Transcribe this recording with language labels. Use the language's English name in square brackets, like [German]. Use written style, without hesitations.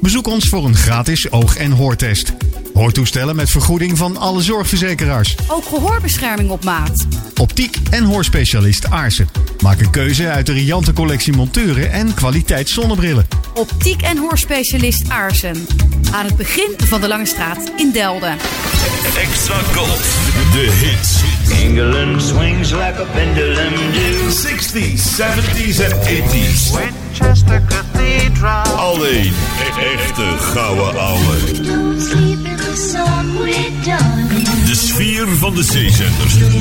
[Dutch] Bezoek ons voor een gratis oog- en hoortest. Hoortoestellen met vergoeding van alle zorgverzekeraars. Ook gehoorbescherming op maat. Optiek en hoorspecialist Aarsen. Maak een keuze uit de riante collectie monturen en kwaliteit zonnebrillen. Optiek en hoorspecialist Aarsen. Aan het begin van de Lange Straat in Delden. Extra Gold, de hits. [English] England swings like a pendulum do. [Dutch] 60s, 70s en 80s. [English] Winchester Cathedral. [Dutch] Alleen echte gouden ouwe. [English] Don't sleep in the sun, we're done. [Dutch] De sfeer van de zeezenders.